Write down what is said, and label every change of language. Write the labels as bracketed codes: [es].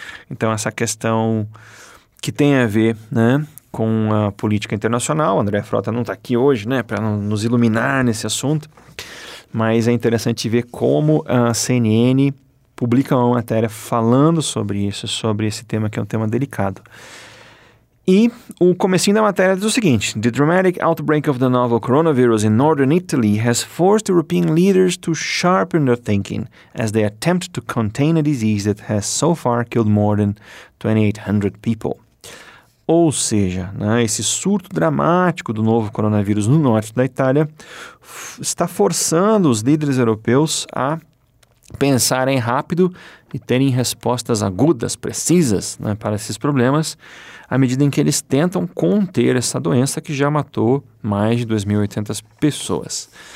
[pt] Então, essa questão que tem a ver, né, com a política internacional, André Frota não está aqui hoje, né, para nos iluminar nesse assunto, mas é interessante ver como a CNN publica uma matéria falando sobre isso, sobre esse tema que é um tema delicado. E o comecinho da matéria diz o seguinte: [en] The dramatic outbreak of the novel coronavirus in northern Italy has forced European leaders to sharpen their thinking as they attempt to contain a disease that has so far killed more than 2,800 people. [pt] Ou seja, né, esse surto dramático do novo coronavírus no norte da Itália está forçando os líderes europeus a pensarem rápido e terem respostas agudas, precisas, né, para esses problemas, à medida em que eles tentam conter essa doença que já matou mais de 2.800 pessoas.